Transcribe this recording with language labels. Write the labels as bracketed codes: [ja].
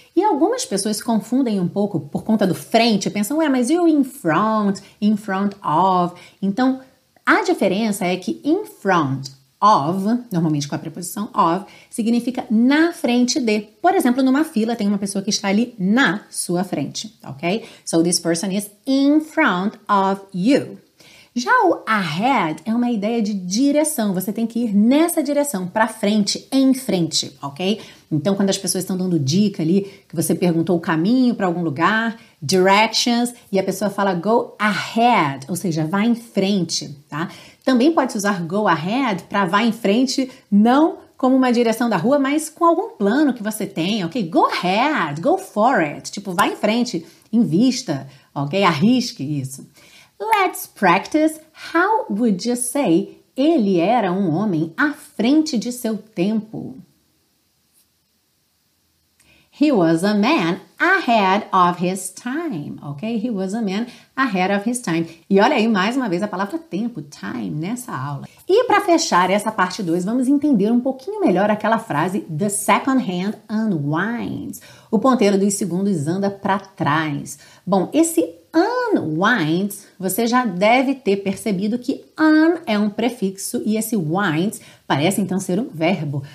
[pt] E algumas pessoas confundem um pouco por conta do frente, pensam, ué, mas e o in front of? Então, A diferença é que in front of, normalmente com a preposição of, significa na frente de. Por exemplo, numa fila tem uma pessoa que está ali na sua frente, ok? [en] So this person is in front of you. [pt] Já o ahead é uma ideia de direção, você tem que ir nessa direção, para frente, em frente, ok? Então, quando as pessoas estão dando dica ali, que você perguntou o caminho para algum lugar, directions, e a pessoa fala go ahead, ou seja, vá em frente, tá? Também pode usar go ahead para vá em frente, não como uma direção da rua, mas com algum plano que você tenha, ok? [en] Go ahead, go for it, [pt] tipo, vá em frente, invista, ok? Arrisque isso. [en] Let's practice. How would you say [pt] ele era um homem à frente de seu tempo? [en] He was a man ahead of his time. Ok? He was a man ahead of his time. [pt] E olha aí mais uma vez a palavra tempo, time, nessa aula. E para fechar essa parte 2, vamos entender um pouquinho melhor aquela frase [en] the second hand unwinds. [pt] O ponteiro dos segundos anda para trás. Bom, esse unwinds, você já deve ter percebido que un é um prefixo e esse winds parece então ser um verbo.